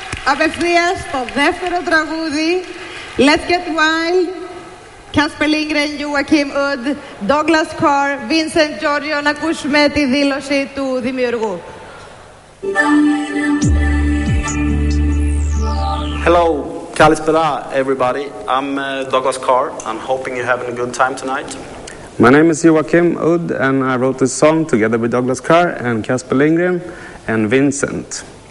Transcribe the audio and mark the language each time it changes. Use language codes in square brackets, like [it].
[el] Απευθείας στο δεύτερο τραγούδι. [en] Let's get wild. [el] Κάσπερ Λίνγκρεν, Joachim Ud, Douglas Carr, Vincent Giorgio. Να ακούσουμε τη δήλωση του δημιουργού. [en] Hello, [el] καλησπέρα [en] everybody. I'm Douglas Carr. I'm hoping you're having a good time tonight. My name is Joachim Ud and I wrote this song together with Douglas Carr and Kasper Lindgren and Vincent.